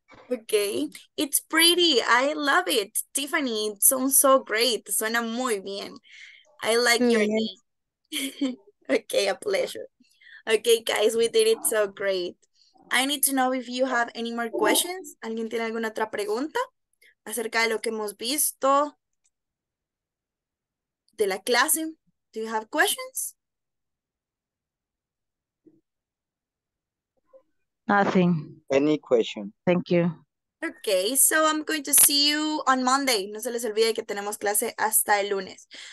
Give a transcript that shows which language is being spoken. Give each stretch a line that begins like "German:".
English: Okay, it's pretty. I love it. Tiffany, it sounds so great.
Spanish: Suena muy bien.
English: I like your name. Okay, a pleasure. Okay, guys, we did it so great. I need to know if you have any more questions.
Spanish: ¿Alguien tiene alguna otra pregunta acerca de lo que hemos visto de la clase?
English: Do you have questions? Nothing. Any question? Thank you. Okay, so I'm going to see you on Monday.
Spanish: No se les olvide que tenemos clase hasta el lunes.